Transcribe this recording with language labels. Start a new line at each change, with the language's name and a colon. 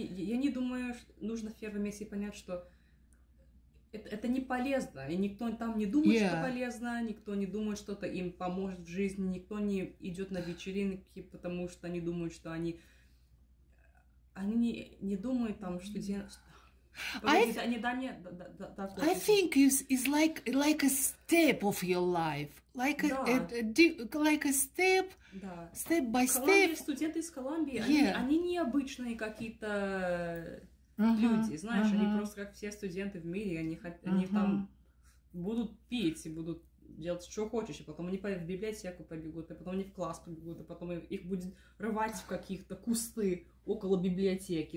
Russian: Я не думаю, нужно в первом месте понять, что это не полезно, и никто там не думает,
English: yeah.
Russian: что полезно, никто не думает, что это им поможет в жизни, никто не идет на вечеринки, потому что они думают, что они не думают там, что
English: I think it's like a step of your life, like a step,
Russian: да.
English: step by step.
Russian: Студенты из Колумбии, yeah. они необычные какие-то. люди, знаешь, они просто как все студенты в мире, они, они там будут пить и будут делать что хочешь, и потом они в библиотеку побегут, и потом они в класс побегут, и потом их будет рвать в каких-то кусты около библиотеки.